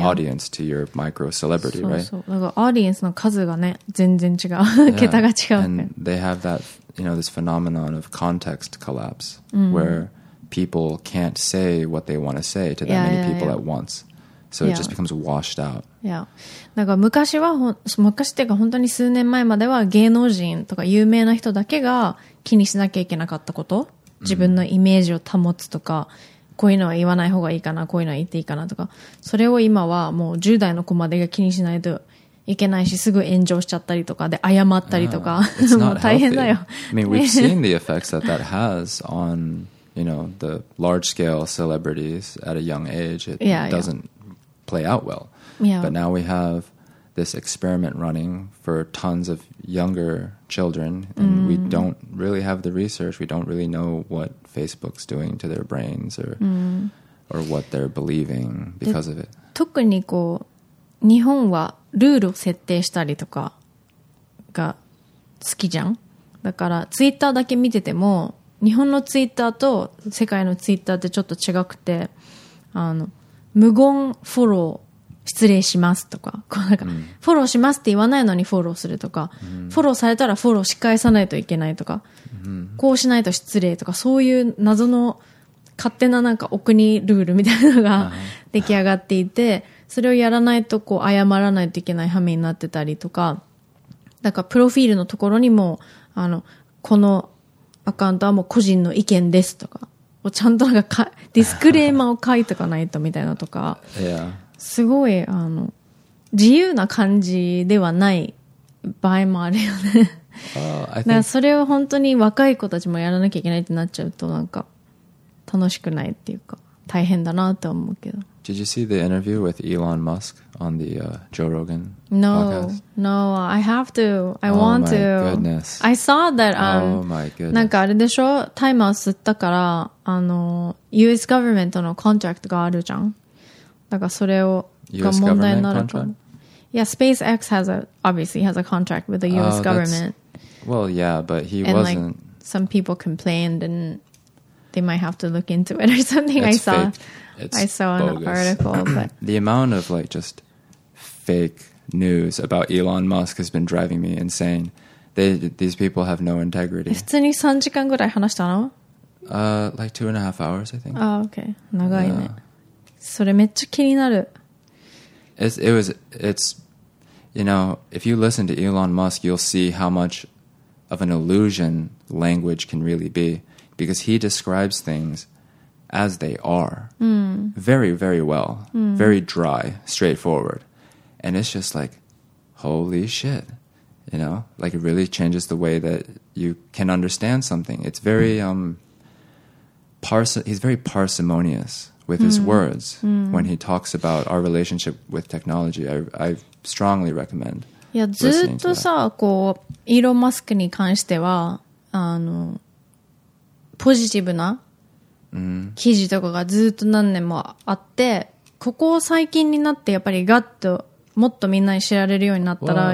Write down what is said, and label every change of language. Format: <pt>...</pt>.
<en>audience to your micro celebrity, so, right? So, like,</en> <ja>audience の数がね、全然違う。桁が違う。</ja> <en>And they have that, you know, this phenomenon of context collapse、where people can't say what they want to say to that many people at once. So it just becomes washed out. Yeah.</en> <ja>なんか昔は、昔っていうか本当に数年前までは芸能人とか有名な人だけが気にしなきゃいけなかったこと、自分のイメージを保つとか、こういうのは言わない方がいいかな、こういうのは言っていいかなとか、それを今はもう10代の子までが気にしないといけないし、すぐ炎上しちゃったりとかで謝ったりとか、もう大変だよ。</ja> <en>I mean, we've seen the effects that that has on, you know, the large scale celebrities at a young age. It doesn't play out well. Yeah. But now we have this experiment running for tons of younger children, and we don't really have the research. We don't really know what Facebook's doing to their brains or what they're believing because of it.</en> <ja>特にこう、日本はルールを設定したりとかが好きじゃん。だから、ツイッターだけ見てても、日本のツイッターと世界のツイッターってちょっと違くて、無言フォロー失礼しますとか、こうなんか、フォローしますって言わないのにフォローするとか、フォローされたらフォローし返さないといけないとか、こうしないと失礼とか、そういう謎の勝手ななんかお国ルールみたいなのが出来上がっていて、それをやらないとこう謝らないといけない羽目になってたりとか、だからプロフィールのところにも、このアカウントはもう個人の意見ですとか、ちゃんとなんかディスクレーマーを書いとかないとみたいなとか、すごい自由な感じではない場合もあるよね。なんかそれを本当に若い子たちもやらなきゃいけないってなっちゃうと、なんか楽しくないっていうか大変だなって思うけど。</ja> <en>Did you see the interview with Elon Musk on the Joe Rogan podcast? No, no, I have to. I want to. Oh my goodness. I saw that. Oh my goodness.</en> <ja>なんかあれでしょ、タイマー吸ったから、US government のコントラクトがあるじゃん。だからそれをが問題になると。</ja> <en>Yeah, SpaceX has a contract with the US government. Well, yeah, but he and, wasn't. Like, some people complained and they might have to look into it or something. It's I saw. I saw an article, but the amount of like just fake news about Elon Musk has been driving me insane. These people have no integrity.</en> <ja>普通に3時間ぐらい話したの？</ja> <en>Like 2.5 hours, I think. Oh, okay.</en> <ja>長いね。それめっちゃ気になる。</ja> <en>It's, you know, if you listen to Elon Musk, you'll see how much of an illusion language can really be, because he describes things. As they are, very, very well, very dry, straightforward, and it's just like, holy shit, you know, like it really changes the way that you can understand something. It's very he's very parsimonious with his words when he talks about our relationship with technology. I strongly recommend.</en> <ja>Yeah, ずっとさ、こう、イーロン・マスクに関しては、ポジティブな。記事とかがずっと何年もあって、ここ最近になってやっぱりガッともっとみんなに知られるようになったら、</ja>